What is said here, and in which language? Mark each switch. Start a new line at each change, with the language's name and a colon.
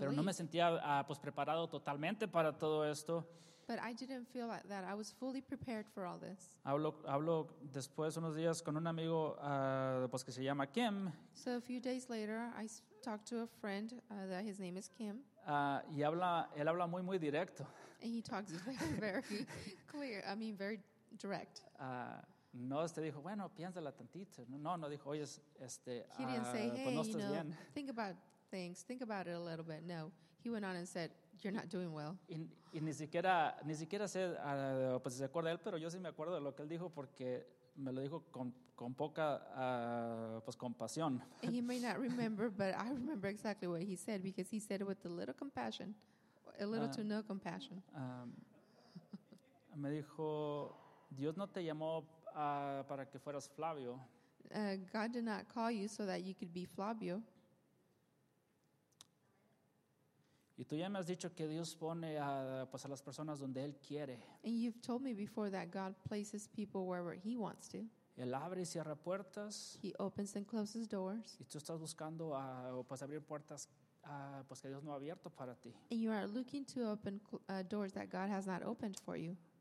Spanish: Pero no me sentía pues preparado totalmente para todo esto.
English: But I didn't feel like that. I was fully prepared for all this.
Spanish: Hablo después unos días con un amigo pues que se llama Kim.
English: So a few days later, I talked to a friend that his name is Kim.
Spanish: Y él habla muy muy directo.
English: And he talks very very clear. I mean, very direct.
Spanish: No, este dijo, bueno, piénsala tantito. No dijo, oye,
English: he didn't say, hey,
Spanish: pues no,
English: you know,
Spanish: bien.
English: Think about things. Think about it a little bit. No, he went on and said, you're not doing well.
Spanish: Y ni siquiera sé, pues se acuerda él, pero yo sí me acuerdo de lo que él dijo porque me lo dijo con poca, pues compasión.
English: And he may not remember, but I remember exactly what he said because he said it with a little compassion, a little to no compassion.
Spanish: me dijo, Dios no te llamó para que fueras Flavio.
English: God did not call you so that you could be Flavio.
Spanish: Y tú ya me has dicho que Dios pone pues a las personas donde Él quiere.
English: And you've told me before that God places people wherever He wants to.
Spanish: Él abre y cierra puertas.
English: He opens and closes doors.
Spanish: Y tú estás buscando pues abrir puertas pues que Dios no ha abierto para ti.
English: And you are looking to open doors that God has not opened for you.